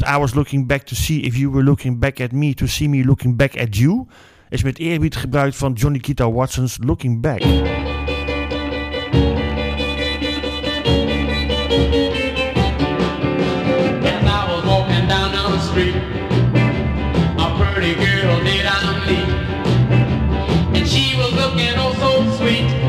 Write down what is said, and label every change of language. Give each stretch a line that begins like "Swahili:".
English: I was looking back to see if you were looking back at me to see me looking back at you.
Dutch: Is met eerbied gebruikt van Johnny Kita Watson's Looking Back.
English: And I was walking down the street. A pretty girl did I meet. And she was looking oh so sweet.